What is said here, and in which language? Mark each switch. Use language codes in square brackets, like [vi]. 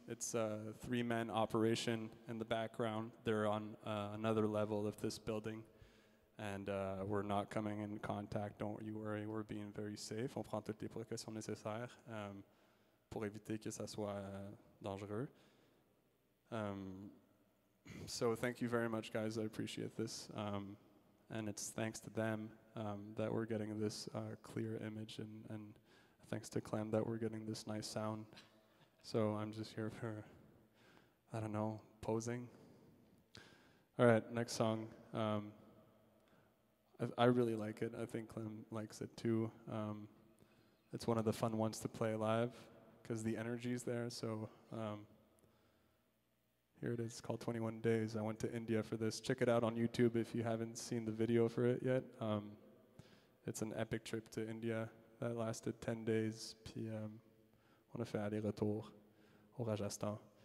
[en] It's a three-man operation in the background. They're on another level of this building. And we're not coming in contact, don't you worry, we're being very safe. [fr] On prend toutes les précautions nécessaires pour éviter que ça soit dangereux. [en] So thank you very much, guys, I appreciate this. And it's thanks to them that we're getting this clear image, and thanks to Clem that we're getting this nice sound. So I'm just here for, I don't know, posing. All right, next song. I really like it. I think Clem likes it too. It's one of the fun ones to play live because the energy's there. So here it is. It's called 21 Days. I went to India for this. Check it out on YouTube if you haven't seen the video for it yet. It's an epic trip to India that lasted 10 days. [fr] Puis on a fait aller-retour au Rajasthan.